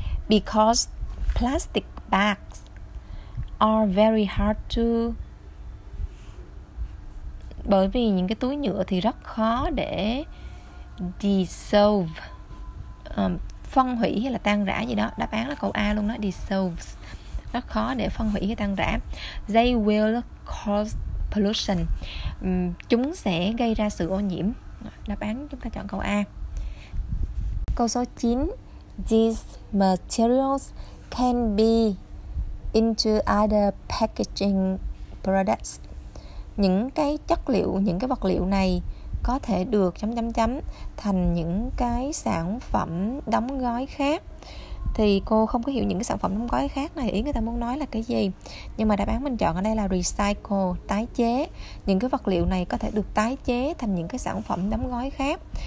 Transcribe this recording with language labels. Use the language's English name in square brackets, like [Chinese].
[English] Because plastic bags are very hard to, [Vietnamese] bởi vì những cái túi nhựa thì rất khó để dissolve, phân hủy hay là tan rã gì đó. Đáp án là câu A luôn đó, dissolves. Rất khó để phân hủy hay tan rã. [English] They will cause pollution. [Vietnamese] Chúng sẽ gây ra sự ô nhiễm. Đáp án chúng ta chọn câu A. Câu số 9. [English] These materials can be into other packaging products. [Vietnamese] Những cái chất liệu, những cái vật liệu này có thể được chấm chấm chấm thành những cái sản phẩm đóng gói khác. Thì cô không có hiểu những cái sản phẩm đóng gói khác này ý người ta muốn nói là cái gì. Nhưng mà đáp án mình chọn ở đây là recycle, tái chế. Những cái vật liệu này có thể được tái chế thành những cái sản phẩm đóng gói khác.